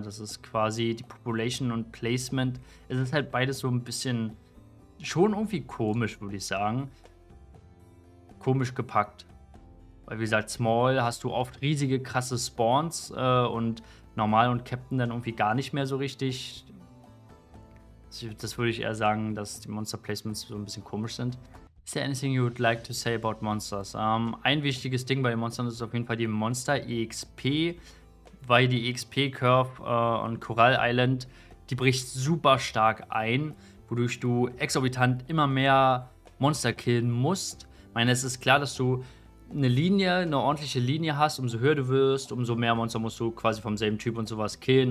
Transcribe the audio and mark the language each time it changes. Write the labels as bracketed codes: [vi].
[de] Das ist quasi die Population und Placement. Es ist halt beides so ein bisschen schon irgendwie komisch, würde ich sagen. Komisch gepackt. Weil, wie gesagt, Small hast du oft riesige, krasse Spawns und Normal und Captain dann irgendwie gar nicht mehr so richtig. Das würde ich eher sagen, dass die Monster Placements so ein bisschen komisch sind. [en] Is there anything you would like to say about Monsters? [de] Ein wichtiges Ding bei den Monstern ist auf jeden Fall die Monster EXP, weil die EXP-Curve on Coral Island, die bricht super stark ein, wodurch du exorbitant immer mehr Monster killen musst. Ich meine, es ist klar, dass du eine ordentliche Linie hast, umso höher du wirst, umso mehr Monster musst du quasi vom selben Typ und sowas killen.